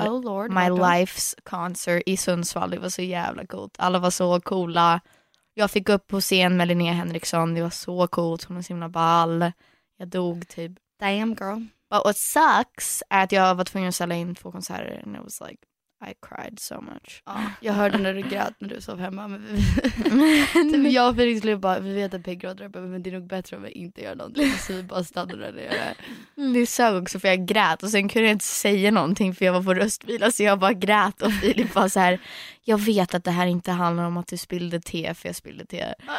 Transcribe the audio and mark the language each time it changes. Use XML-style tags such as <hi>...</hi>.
<en>oh, Lord,</en> <sv>My Life's Concert i Sundsvall. Det var så jävla coolt. Alla var så coola. Jag fick upp på scen med Linnea Henriksson. Det var så coolt. Hon var så himla ball. Jag dog typ.</sv> <en>Damn, girl. But what sucks</en> <sv>är att jag var tvungen att ställa in 2 konserter.</sv> <en>And it was like, I cried so much.</en> <sv>Ja, jag hörde när du grät när du sov hemma. Typ, jag och Felix blev bara, vi vet att Peggy har uppe, men det är nog bättre om vi inte gör någonting. Så vi bara stannade där nere. Det sög också för jag grät. Och sen kunde jag inte säga någonting för jag var på röstvila. Så jag bara grät och Filip bara så här, jag vet att det här inte handlar om att du spillde te, för jag spillde te.</sv>